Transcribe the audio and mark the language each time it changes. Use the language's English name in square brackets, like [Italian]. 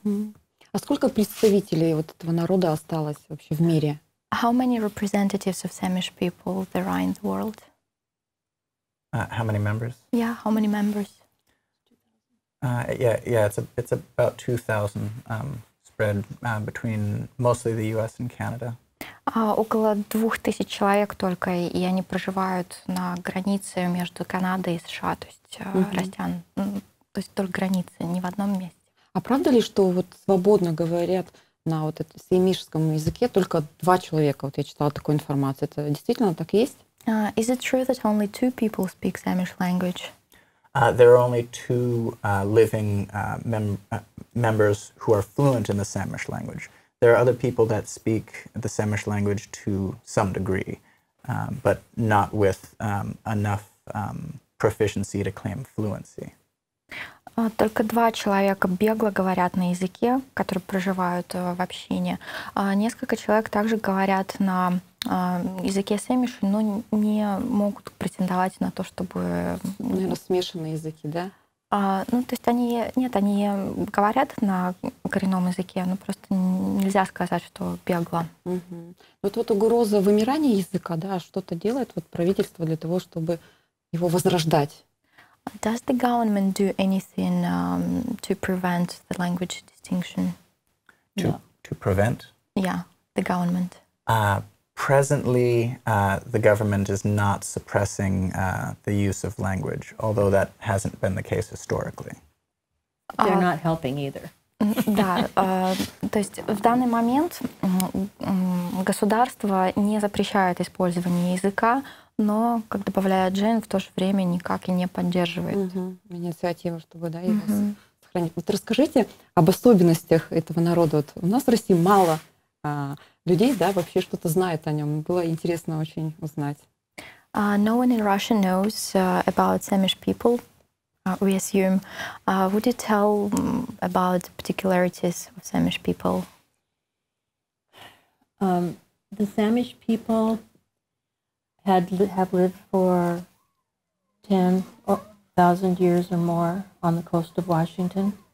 [Russian] А сколько представителей вот этого народа осталось вообще в мире? [English] How many representatives of Samish people there are in the world? How many members? Yeah, how many members? It's about 2,000 spread between mostly the U.S. and Canada. [Russian] Около 2000 человек только, и они проживают на границе между Канадой и США, то есть то есть только границы, не в одном месте. А правда ли, что вот свободно говорят на вот этом самишском языке только два человека? Вот я читала такую информацию. Это действительно так есть? [English] Is it true that only two people speak Samish language? There are only two living members who are fluent in the Samish language. There are other people that speak the Samish language to some degree, but not with enough proficiency to claim fluency. [Russian] Только два человека бегло говорят на языке, которые проживают в общине. Несколько человек также говорят на языке сэмиши, но не могут претендовать на то, чтобы... Наверное, смешанные языки, да? Они говорят на коренном языке, но просто нельзя сказать, что бегло. Угу. Вот угроза вымирания языка, да, что-то делает вот правительство для того, чтобы его возрождать? [English] Does the government do anything to prevent the language extinction? To prevent? Yeah, the government. Presently, the government is not suppressing the use of language, although that hasn't been the case historically. They're not helping either. [Russian] Да, то есть в данный момент государство не запрещает использование языка, но, как добавляет Джейн, в то же время никак и не поддерживает. Инициативу, чтобы его сохранить. Вот расскажите об особенностях этого народа. Вот у нас в России мало людей, да, вообще что-то знает о нем. Было интересно очень узнать. [English] No one in Russia knows about Samish people, we assume. Would you tell about the particularities of Samish people? The Samish people have lived for 10,000 years or more on the coast of Washington.